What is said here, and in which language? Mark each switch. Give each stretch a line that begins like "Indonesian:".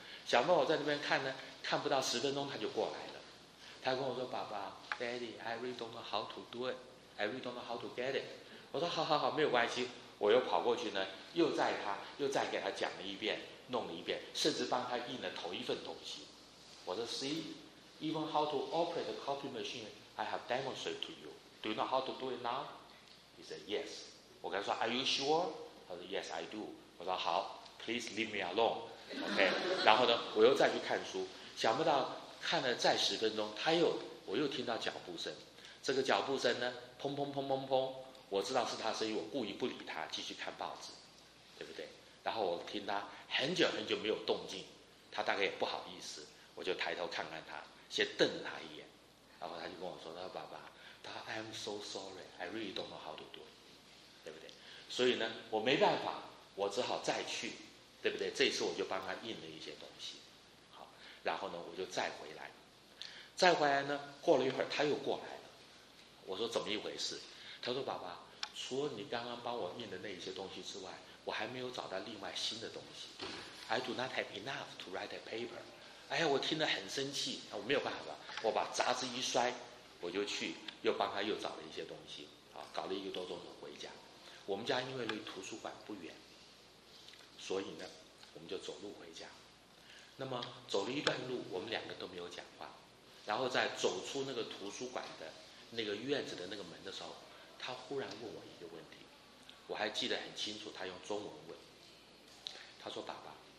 Chinese: 小猫我在那边看呢，看不到十分钟他就过来了，他跟我说，爸爸
English: Daddy I really don't know how to do it， I really don't know how to get it。
Chinese: 我说好好好，没有关系。我又跑过去呢，又再给他讲了一遍，弄了一遍，甚至帮他印了头一份东西。我说
English: See even how to operate the copy machine I have demonstrated to youDo you know how to do it now? He said, yes.
Chinese: 我跟他说
English: Are you sure?
Chinese: 他说
English: Yes, I do.
Chinese: 我说好
English: Please leave me alone. OK.
Chinese: 然后呢我又再去看书，想不到看了再十分钟，我又听到脚步声。这个脚步声呢，砰砰砰砰砰，我知道是他声音，我故意不理他，继续看报纸，对不对？然后我听他很久很久没有动静，他大概也不好意思，我就抬头看看他，先瞪了他一眼，然后他就跟我说，他说爸爸
English: I'm so sorry. I really don't know how to do it.
Chinese: 对不对？所以呢，我没办法，我只好再去，对不对？这次我就帮他印了一些东西，好，然后呢，我就再回来。再回来呢，过了一会儿他又过来了。我说怎么一回事？他说爸爸，除了你刚刚帮我印的那一些东西之外，我还没有找到另外新的东西。
English: I do not have enough to write a paper.
Chinese: 哎呀，我听得很生气，我没有办法，我把杂志一摔。我就去又帮他又找了一些东西啊，搞了一个多钟头回家。我们家因为离图书馆不远，所以呢我们就走路回家。那么走了一段路，我们两个都没有讲话，然后在走出那个图书馆的那个院子的那个门的时候，他忽然问我一个问题，我还记得很清楚，他用中文问，他说爸爸